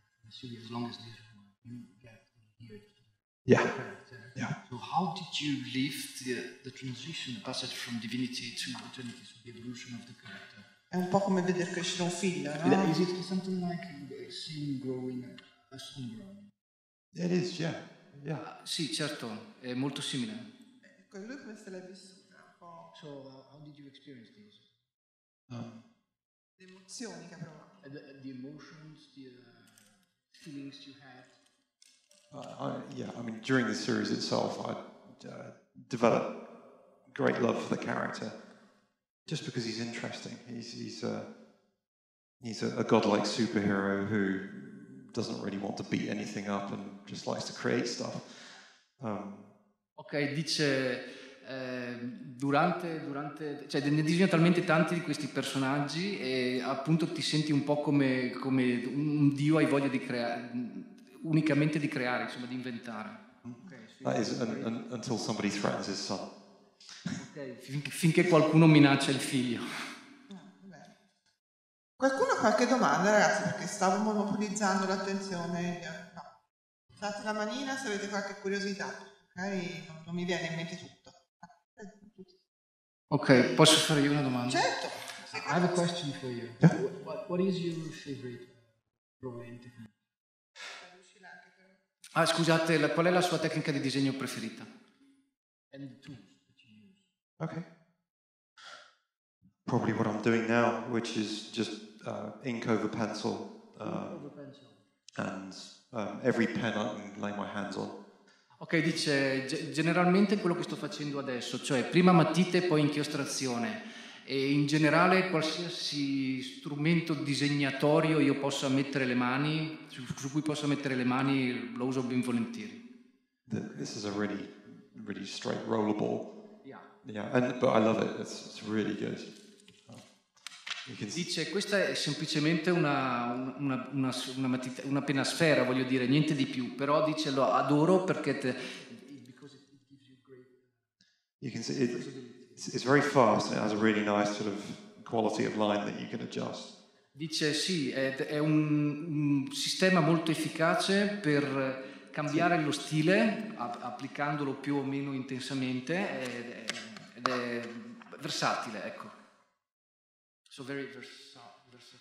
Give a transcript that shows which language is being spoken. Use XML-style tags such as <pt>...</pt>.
<en>Series, as long as this one, you get here to yeah. So how did you leave the transition, the passage from divinity to eternity, so the evolution of the character?</en> <it>È un po' come vedere crescere un figlio, no?</it> <en>Is it something like seeing growing a son growing? It is, yeah.</en> <it>Sì, certo, è molto simile.</it> <en>So how did you experience this?</en> <it>Le emozioni che provo.</it> <en>The emotions, feelings you had. I mean during the series itself I developed great love for the character just because he's interesting. He's a godlike superhero who doesn't really want to beat anything up and just likes to create stuff.</en> <it>Okay, dice durante cioè ne disegno talmente tanti di questi personaggi e appunto ti senti un po' come un dio, hai voglia di creare, insomma, di inventare.</it> <en>That is until somebody threatens his son.</en> <it>Okay, finché qualcuno minaccia il figlio. Qualcuno ha qualche domanda, ragazzi, perché stavo monopolizzando l'attenzione. No. Date la manina se avete qualche curiosità, ok? Non mi viene in mente tutto. Ok, posso fare io una domanda? Certo.</it> <en>I have a question for you. Yeah. What is your favorite drawing?</en> <it>Ah, scusate, qual è la sua tecnica di disegno preferita?</it> <en>And the tools that you use. Okay. Probably what I'm doing now, which is just ink over pencil. And every pen I can lay my hands on.</en> <it>Ok, dice, generalmente quello che sto facendo adesso, cioè prima matita e poi inchiostrazione, e in generale qualsiasi strumento disegnatorio io possa mettere le mani, su cui possa mettere le mani, lo uso ben volentieri.</it> <en>This is a really, really straight rollerball. Yeah. Yeah, but I love it, it's really good.</en> <it>Dice, questa è semplicemente una penna sfera, voglio dire, niente di più, però dice, lo adoro perché</it> <en>you can see it's very fast and it has a really nice sort of quality of line that you can adjust.</en> <it>Dice, sì, è un sistema molto efficace per cambiare lo stile applicandolo più o meno intensamente ed è versatile, ecco.</it> <en>So very versatile.</en>